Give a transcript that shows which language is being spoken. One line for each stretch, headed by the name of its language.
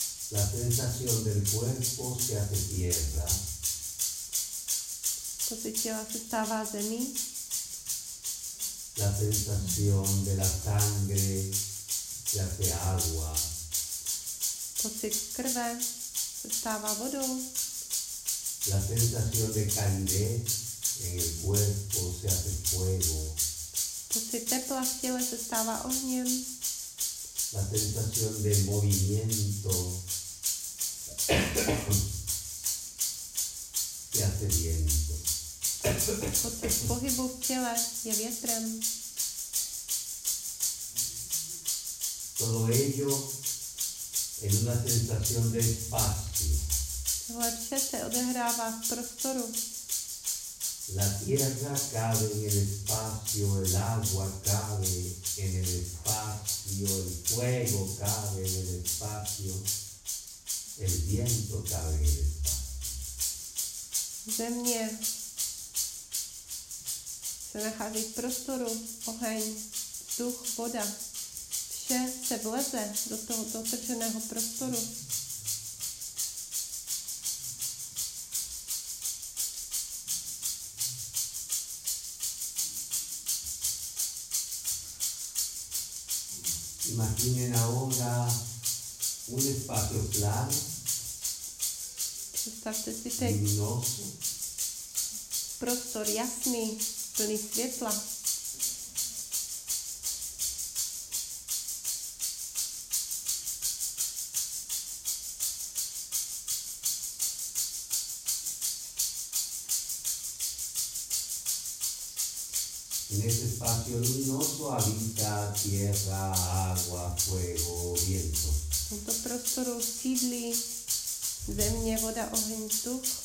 Spanish: La sensación del cuerpo se hace tierra.
Czech: Pocit těla se stává zemí.
Spanish: La sensación de la sangre se hace agua.
Czech: Pocit krve se stává vodou.
Spanish: La sensación de calidez en el cuerpo se hace fuego.
Czech: Pocit tepla v těle se stává ohněm.
Spanish: La sensación de movimiento se hace viento.
Czech: Pocit pohybu v těle je větrem.
Spanish: Todo ello en una sensación de espacio.
Czech: Tohle vše se odehrává v prostoru.
Spanish: La tierra cabe en el espacio, el agua cabe en el espacio, el fuego cabe en el espacio, el viento cabe en el espacio.
Czech: Země se nachází v prostoru, oheň, duch, voda. Vše se vleze do tohoto otevřeného prostoru.
Spanish: Imaginen ahora un espacio claro,
Czech: představte si teď prostor jasný, plný světla.
Spanish: Espacio luminoso habita tierra, agua, fuego, viento.
Czech: V tomto prostoru sídlí země, voda, oheň, vzduch.